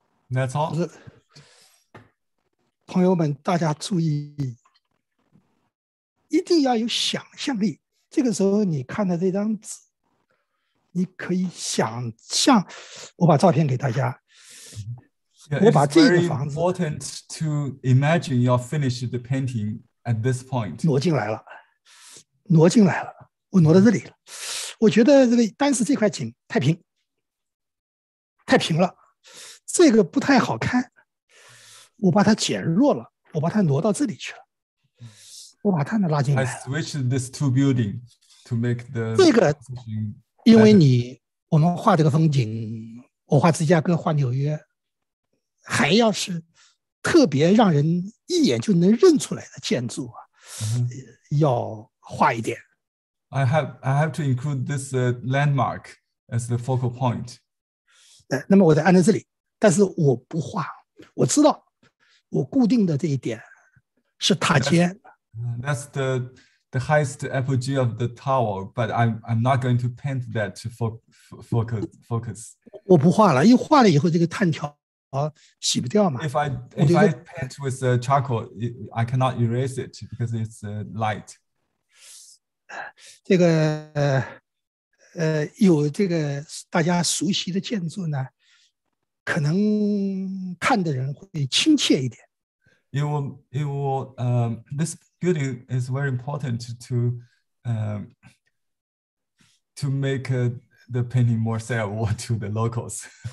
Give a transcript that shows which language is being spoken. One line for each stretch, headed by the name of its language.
English: That's all.
Chinese: 朋友们，大家注意，一定要有想象力。这个时候，你看到这张纸，你可以想象。我把照片给大家。
English: Yeah,
Chinese: 我把这个房子。
English: It's very important to imagine your finished the painting at this point.
Chinese: 挪进来了，挪进来了，我挪到这里了。我觉得这个单是这块景太平。太平了，这个不太好看，我把它减弱了，我把它挪到这里去了，我把它拉进来了。
English: I switched these two buildings to make the
Chinese: 这个，因为你我们画这个风景，我画芝加哥，画纽约，还要是特别让人一眼就能认出来的建筑啊，要画一点。
English: I have to include this landmark as the focal point.
Chinese: 那么我在按在这里，但是我不画。我知道我固定的这一点是塔尖。
English: That's the highest apogee of the tower, but I'm not going to paint that to focus.
Chinese: 我不画了，一画了以后这个炭条洗不掉嘛。
English: If I paint with a charcoal, I cannot erase it because it's light.
Chinese: 这个有这个大家熟悉的建筑呢，可能看的人会亲切一点。
English: This building is very important to make the painting more sellable to the locals.